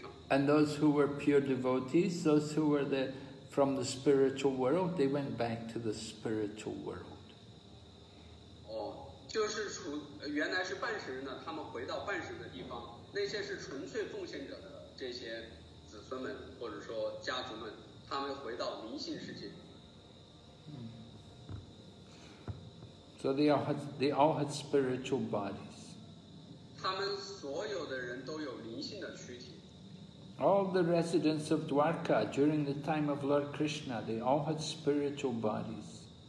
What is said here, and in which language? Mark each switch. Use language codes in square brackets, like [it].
[en] And those who were pure devotees, those who were the from the spiritual world, they went back to the spiritual world. [zh] Oh, 就是除原来是半神人的，他们回到半神的地方。那些是纯粹奉献者的这些子孙们，或者说家族们，他们回到灵性世界。 [en] So they all had spiritual bodies. [zh] 他们所有的人都有灵性的躯体。 [en] All the residents of Dwarka during the time of Lord Krishna, they all had spiritual bodies.